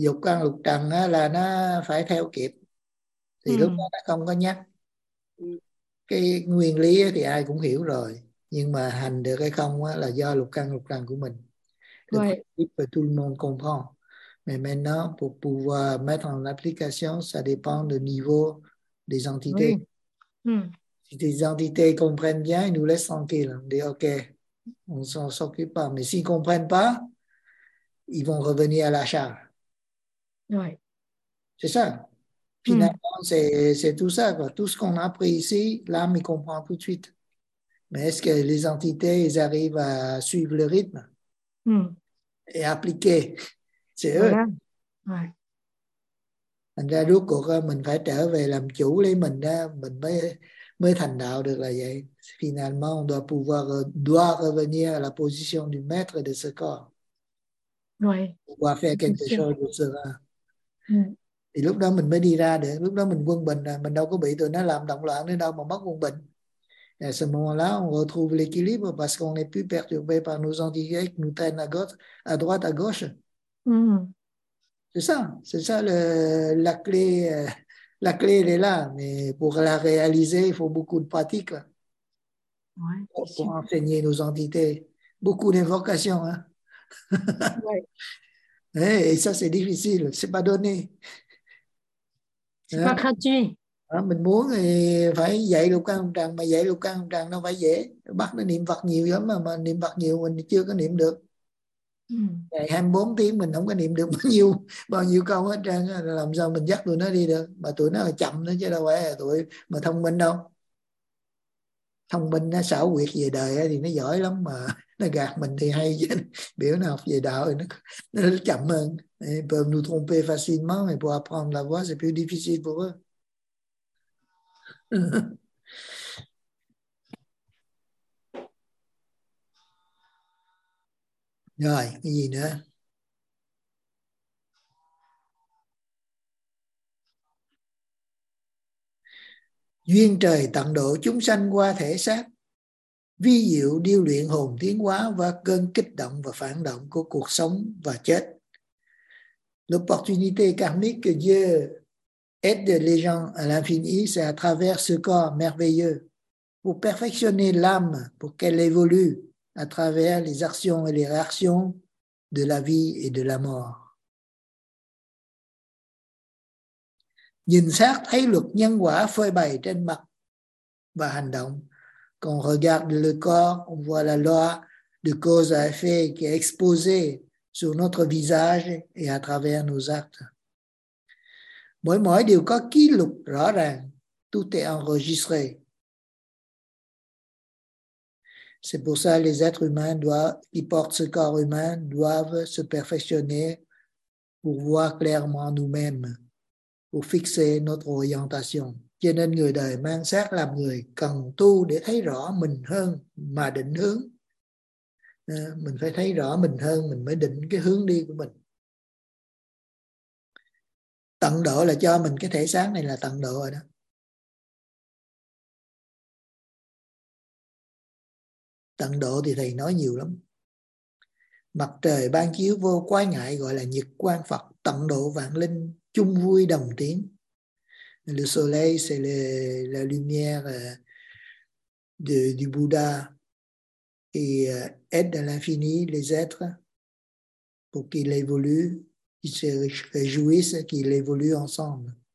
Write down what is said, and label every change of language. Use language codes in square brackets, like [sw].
[vi] dụ con lục trần là nó phải theo kịp, thì lúc đó nó không có nhắc. Cái nguyên lý thì ai cũng hiểu rồi, nhưng mà hành được hay không là do lục căn lục trần của mình. [fr] Le principe tout le monde comprend. Mais maintenant, pour pouvoir mettre en application, ça dépend du niveau des entités. Si les entités comprennent bien, ils nous laissent tranquille. On dit OK, on ne s'en occupe pas. Mais s'ils ne comprennent pas, ils vont revenir à la charge. Oui. C'est ça. Finalement, c'est tout ça. Quoi. Tout ce qu'on a appris ici, l'âme, il comprend tout de suite. Mais est-ce que les entités, ils arrivent à suivre le rythme et appliquer? C'est eux. [vi] Thành ra rốt cuộc mình phải trở về làm chủ lấy mình đó, mình mới thành đạo được là vậy. [fr] Finalement, on doit pouvoir revenir à la position du maître de ce corps. Ouais. Pouvoir faire quelque chose de cela. [vi] Thì lúc đó mình mới đi ra được, lúc đó mình quân bình, mình đâu có bị tụi nó làm động loạn nữa đâu mà mất quân bình. [fr] À ce moment-là, on retrouve l'équilibre parce qu'on n'est plus perturbé par nos entités qui nous traînent à droite, à gauche. C'est ça la clé elle est là, mais pour la réaliser, il faut beaucoup de pratique pour enseigner nos entités. Beaucoup d'invocations. Hein? Ouais. Et ça, c'est difficile, c'est pas donné. C'est pas gratuit. [vi] Mình muốn thì phải dạy lục căn lục trần, mà dạy lục căn lục trần đâu phải dễ. Bắt nó niệm Phật nhiều lắm mà niệm Phật nhiều mình chưa có niệm được. Ngày 24 tiếng mình không có niệm được bao nhiêu câu hết trơn, làm sao mình dắt tụi nó đi được? Mà tụi nó là chậm nữa chứ đâu phải là tụi mà thông minh đâu. Thông minh nó xảo quyệt về đời thì nó giỏi lắm, mà nó gạt mình thì hay chứ. Biểu nó học về đạo thì nó chậm hơn. [fr] Ils peuvent nous tromper facilement, mais pour apprendre la voie, c'est plus difficile pour eux. [vi] Rồi, cái gì nữa? Duyên trời tận độ chúng sanh qua thể xác, vi diệu điêu luyện hồn tiến hóa và cơn kích động và phản động của cuộc sống và chết. [fr] L'opportunité karmique que Dieu aide les gens à l'infini, c'est à travers ce corps merveilleux pour perfectionner l'âme, pour qu'elle évolue à travers les actions et les réactions de la vie et de la mort. [vi] Nhìn xác thấy luật nhân quả phơi bày trên mặt và hành động. [fr] Quand on regarde le corps, on voit la loi de cause à effet qui est exposée sur notre visage et à travers nos actes. [vi] Mỗi mỗi đều có kỷ lục rõ ràng, [fr] tout est enregistré. C'est pour ça que les êtres humains qui portent ce corps humain doivent se perfectionner pour voir clairement nous-mêmes, pour fixer notre orientation. [vi] Cho nên người đời mang xác làm người cần tu để thấy rõ mình hơn mà định hướng. Mình phải thấy rõ mình hơn, mình mới định cái hướng đi của mình. Tận độ là cho mình cái thể xác này là tận độ rồi đó. Tận độ thì thầy nói nhiều lắm. Mặt trời ban chiếu vô quái ngại gọi là nhật quang Phật, tận độ vạn linh chung vui đồng tiếng. [fr] Le soleil c'est la lumière du Bouddha et aide à l'infini les êtres pour qu'ils évoluent, qu'ils se réjouissent, qu'ils évoluent ensemble.